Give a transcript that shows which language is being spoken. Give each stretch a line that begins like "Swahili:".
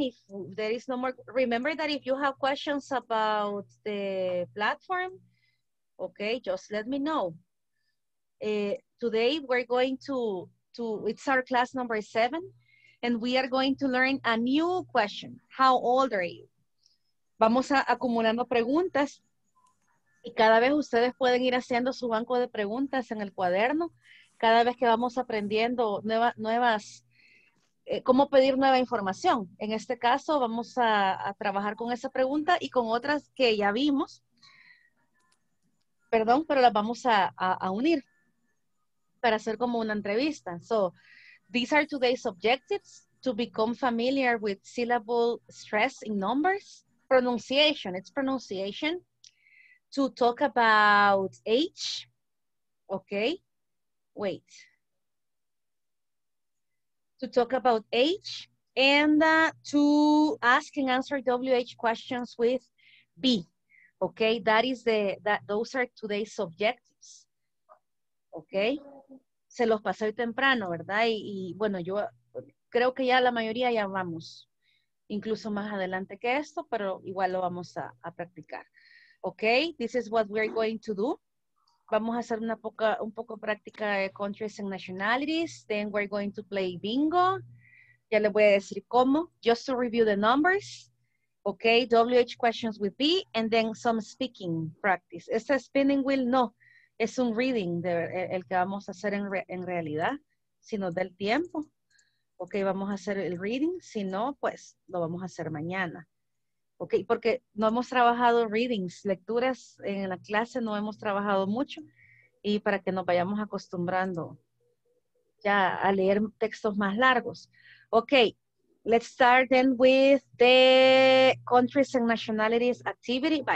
English: If there is no more, remember that if you have questions about the platform, okay, just let me know. Today we're going to, it's our class number 7, and we are going to learn a new question. How old are you?
Spanish: Vamos a acumulando preguntas, y cada vez ustedes pueden ir haciendo su banco de preguntas en el cuaderno, cada vez que vamos aprendiendo nuevas ¿cómo pedir nueva información? En este caso, vamos a trabajar con esa pregunta y con otras que ya vimos. Perdón, pero las vamos a unir para hacer como una entrevista.
English: So, these are today's objectives: to become familiar with syllable stress in numbers, pronunciation, it's pronunciation, to talk about age, okay, wait. To talk about age, and to ask and answer WH questions with B. Okay, that is those are today's objectives.
Spanish: Okay, se los pasé temprano, ¿verdad? Y bueno, yo creo que ya la mayoría ya vamos, incluso más adelante que esto, pero igual lo vamos a practicar.
English: Okay, this is what we're going to do.
Spanish: Vamos a hacer un poco práctica de
English: countries and nationalities. Then we're going to play bingo.
Spanish: Ya les voy a decir cómo.
English: Just to review the numbers. Okay, WH questions with B. And then some speaking practice. Este spinning wheel no.
Spanish: Es un reading el que vamos a hacer en realidad. Si nos da el tiempo. Okay, vamos a hacer el reading. Si no, pues lo vamos a hacer mañana. Ok, porque no hemos trabajado readings, lecturas en la clase, no hemos trabajado mucho. Y para que nos vayamos acostumbrando ya a leer textos más largos.
English: Ok, let's start then with the countries and nationalities activity.